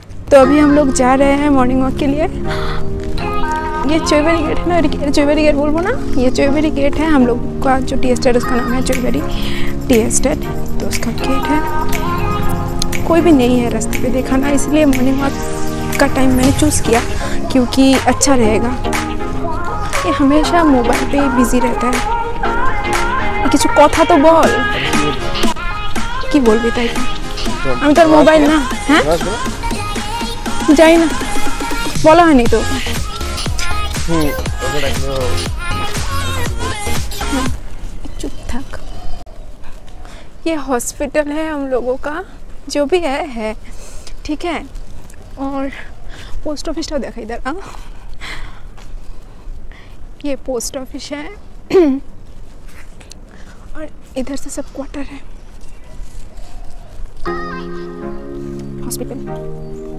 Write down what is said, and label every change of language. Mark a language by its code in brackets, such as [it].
[hi] तो अभी हम लोग जा रहे हैं मॉर्निंग वॉक के लिए। ये चौबेरी गेट है ना, चौबेरी गेट बोल ना, ये चौबेरी गेट है हम लोग का जो टी एस्टेट, उसका नाम है चौबेरी टी एस्टेट, तो उसका गेट है। कोई भी नहीं है रास्ते पर देखा ना, इसलिए मॉर्निंग वॉक का टाइम मैंने चूज़ किया क्योंकि अच्छा रहेगा। ये हमेशा मोबाइल पर बिजी रहता है, [bn] কিছু কথা তো বল, কি বলবি তাই, আমি তোর মোবাইল না, হ্যাঁ যাই না, বলা হয়নি তো, চুপ থাক। [hi] ये हॉस्पिटल है हम लोगों का, जो भी है है, ठीक है। और पोस्ट ऑफिस तो देखा इधर, ये पोस्ट ऑफिस है और इधर से सब क्वार्टर है हॉस्पिटल।